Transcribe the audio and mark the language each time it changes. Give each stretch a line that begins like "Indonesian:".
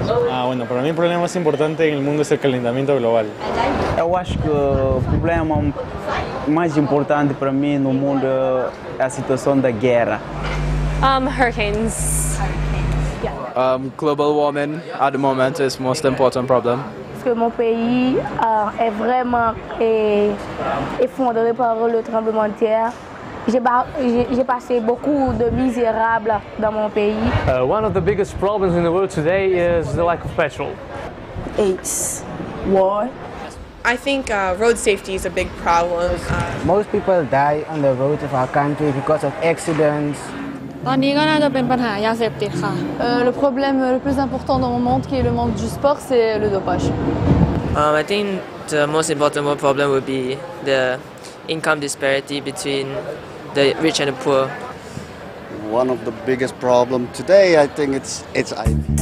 Spanish: Ah, bueno, para mí el problema más importante en el mundo es el calentamiento global. Yo creo que el problema más importante para mí en el mundo es la situación de guerra.
English: Hurricanes. Global warming at the moment is most important problem.
French: Que mon pays est vraiment effondré par le tremblement de terre. J'ai passé beaucoup de misérables dans mon pays.
English: One of the biggest problems in the world today is the lack of petrol. AIDS. War. I think road safety is a big problem. Most people die on the roads of our country because of accidents.
French: Le problème le plus important dans mon monde, qui est le monde du sport, c'est le dopage.
English: I think the most important problem would be the income disparity between the rich and the poor. One of the biggest problems today, I think it's IV.